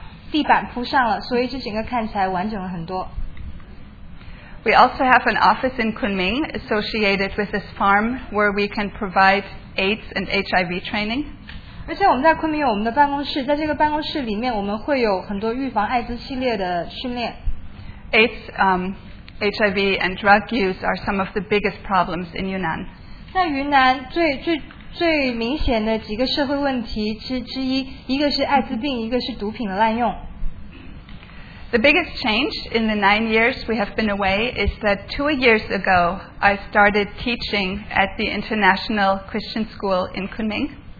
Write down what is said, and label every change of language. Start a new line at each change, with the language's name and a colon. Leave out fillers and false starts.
Chinese: 在过去几年的时候，我们进行对我们的设施进行了很多的改造。我们现在可以有热水，而且屋顶也不再漏雨。我们还把地板铺上了，所以这整个看起来完整了很多。
English: We also have an office in Kunming associated with this farm where we can provide AIDS and HIV training.
Chinese: 而且我们在昆明有我们的办公室，在这个办公室里面我们会有很多预防艾滋系列的训练。
English: AIDS, HIV and drug use are some of the biggest problems in Yunnan.
Chinese: 在云南最明显的几个社会问题之一，一个是艾滋病，一个是毒品的滥用。
English: The biggest change in the 9 years we have been away is that 2 years ago, I started teaching at the International Christian School in Kunming.